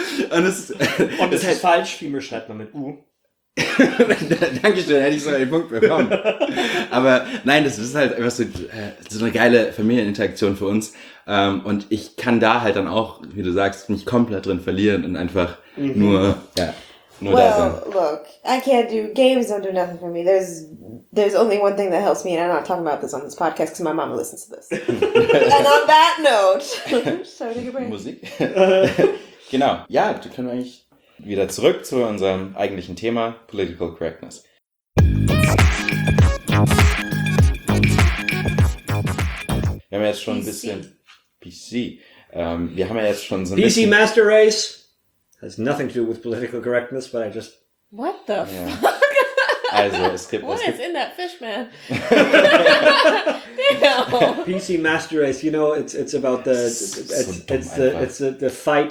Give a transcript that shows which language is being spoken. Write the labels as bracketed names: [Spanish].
[German] Und es ist falsch, Fimo schreibt man mit U. Dankeschön, hätte ich sogar den Punkt bekommen. Aber nein, das ist halt einfach so eine geile Familieninteraktion für uns. Und ich kann da halt dann auch, wie du sagst, mich komplett drin verlieren und einfach nur da sein. [English] Well, look, I can't do, games don't do nothing for me. There's only one thing that helps me, and I'm not talking about this on this podcast, because my mama listens to this. And on that note, sorry to get back. Musik? [German] Genau, ja, da können wir eigentlich wieder zurück zu unserem eigentlichen Thema, Political Correctness. Wir haben jetzt schon ein bisschen... PC. Wir haben ja jetzt schon so ein [English] PC Master Race has nothing to do with Political Correctness, but I just... What the fuck? [German] Also, es gibt... [English] What is in that fish, man? PC Master Race, you know, it's about the it's the fight